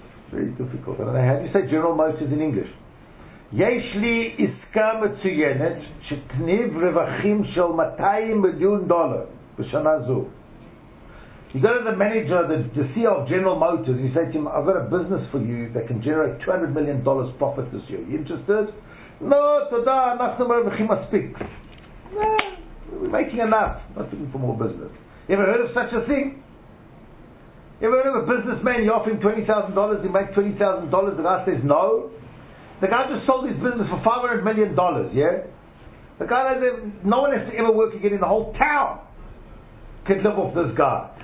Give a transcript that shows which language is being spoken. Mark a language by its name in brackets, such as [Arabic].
[English] Very difficult. I don't know. How do you say General Motors in English? [Hebrew] יש לי עסקה מצוינת שתניב רווחים של 200 מיליון דולר בשנה זו. [English] You go to the manager, the CEO of General Motors, and you say to him, I've got a business for you that can generate $200 million profit this year. You interested? [Hebrew] No, תודה, אנחנו מרווחים מספיק. [English] We're making enough. I'm not looking for more business. You ever heard of such a thing? You ever heard of a businessman, you offer him $20,000, he makes $20,000, the guy says no? The guy just sold his business for $500 million, yeah? The guy has no one has to ever work again in the whole town could live off this guy.